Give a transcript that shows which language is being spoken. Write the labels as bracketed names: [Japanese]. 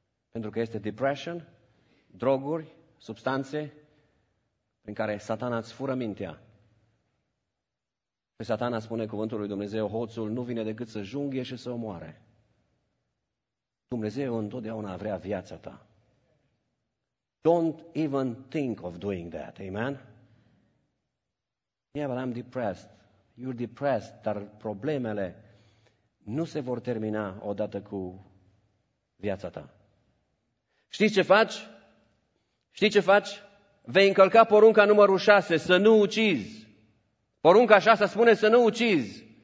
[Romanian] Pentru că este depression, droguri, substanțe, prin care satana îți fură mintea. Pe satana spune cuvântul lui Dumnezeu, hoțul nu vine decât să junghe și să omoare. Dumnezeu întotdeauna vrea viața ta. [English] Don't even think of doing that, amen? Yeah, but I'm depressed. You're depressed, [Romanian] dar problemele nu se vor termina odată cu viața ta. Știi ce faci? Știi ce faci? Vei încălca porunca numărul 6, să nu ucizi. Porunca 6 spune să nu ucizi.